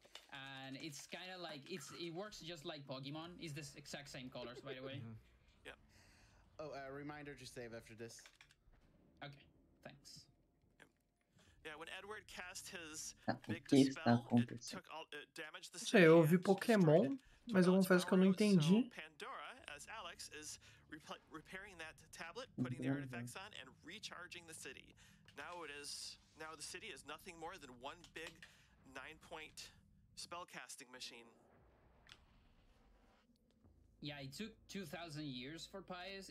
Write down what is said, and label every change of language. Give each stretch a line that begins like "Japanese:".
English: And it's kind of like it works just like Pokemon. It's the exact same colors, by the way. Yeah. Oh, a reminder to save after this. Okay. Thanks. Yeah, when Edward cast his big spell, it damaged the stage.
Portuguese: Eu ouvi Pokémon, mas eu confesso que eu não entendi.
English: Pandora, as Alex is repairing that tablet, putting the artifacts on and recharging the city. Now the city is nothing more than one big 9-point spellcasting machine. Yeah, it took 2,000 years for Pius.